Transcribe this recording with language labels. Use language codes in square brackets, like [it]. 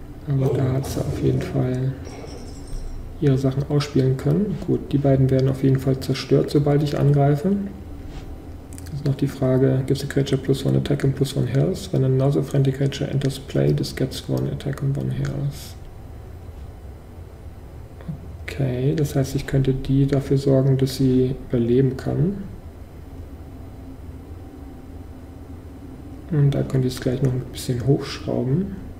[de] Aber da hat sie auf jeden Fall ihre Sachen ausspielen können. Gut, die beiden werden auf jeden Fall zerstört, sobald ich angreife. Das ist noch die Frage, [en] gives a creature plus 1 attack and plus 1 health. When another friendly creature enters play, this gets 1 attack and 1 health. [de] Okay, das heißt, ich könnte die dafür sorgen, dass sie überleben kann. Und da könnte ich es gleich noch ein bisschen hochschrauben.